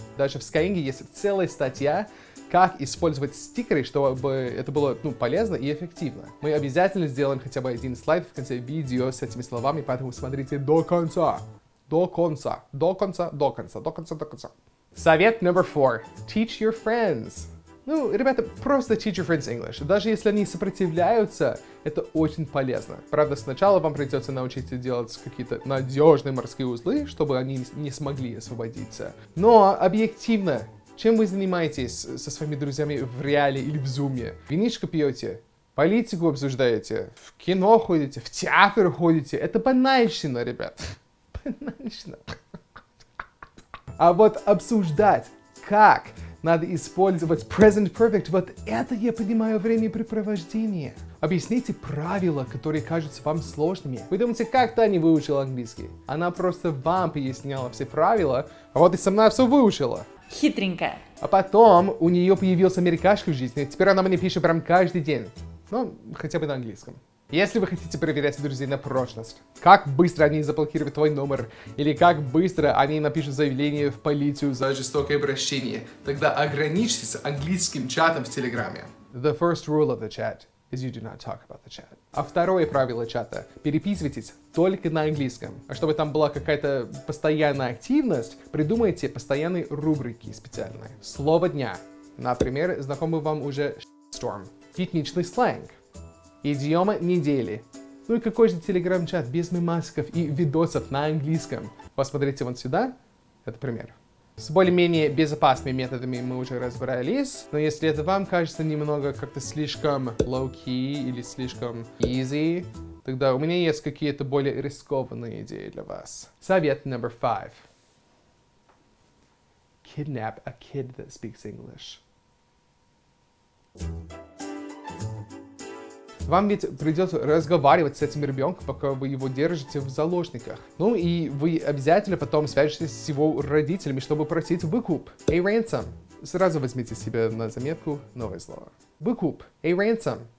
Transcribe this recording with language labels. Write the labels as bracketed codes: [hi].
[ru] Даже в Skyeng есть целая статья, как использовать стикеры, чтобы это было, ну, полезно и эффективно. Мы обязательно сделаем хотя бы один слайд в конце видео с этими словами, поэтому смотрите до конца. До конца. До конца, до конца, до конца, до конца. Совет номер 4. [en] Teach your friends. [ru] Ну, ребята, просто [en] teach your friends English. [ru] Даже если они сопротивляются, это очень полезно. Правда, сначала вам придется научиться делать какие-то надежные морские узлы, чтобы они не смогли освободиться. Но объективно, чем вы занимаетесь со своими друзьями в реале или в зуме? Винишко пьете? Политику обсуждаете? В кино ходите? В театр ходите? Это банальщина, ребят. Банальщина. А вот обсуждать, как надо использовать present perfect, вот это я понимаю времяпрепровождение. Объясните правила, которые кажутся вам сложными. Вы думаете, как Таня выучила английский? Она просто вам поясняла все правила, а вот и со мной все выучила. Хитренькая. А потом у нее появился америкашка в жизни, теперь она мне пишет прям каждый день. Ну, хотя бы на английском. Если вы хотите проверять друзей на прочность, как быстро они заблокируют твой номер, или как быстро они напишут заявление в полицию за жестокое обращение, тогда ограничьтесь английским чатом в Телеграме. [en] The first rule of the chat is you do not talk about the chat. [ru] А второе правило чата — переписывайтесь только на английском. А чтобы там была какая-то постоянная активность, придумайте постоянные рубрики специальные. Слово дня. Например, знакомый вам уже storm. Пикничный сленг. Идиома недели. Ну и какой же телеграм-чат без мемасиков и видосов на английском? Посмотрите вон сюда. Это пример. С более-менее безопасными методами мы уже разобрались. Но если это вам кажется немного как-то слишком low-key или слишком easy, тогда у меня есть какие-то более рискованные идеи для вас. Совет номер 5. [en] Kidnap a kid that speaks English. [ru] Вам ведь придется разговаривать с этим ребенком, пока вы его держите в заложниках. Ну и вы обязательно потом свяжетесь с его родителями, чтобы просить выкуп. [en] A ransom. [ru] Сразу возьмите себе на заметку новое слово. Выкуп. [en] A ransom.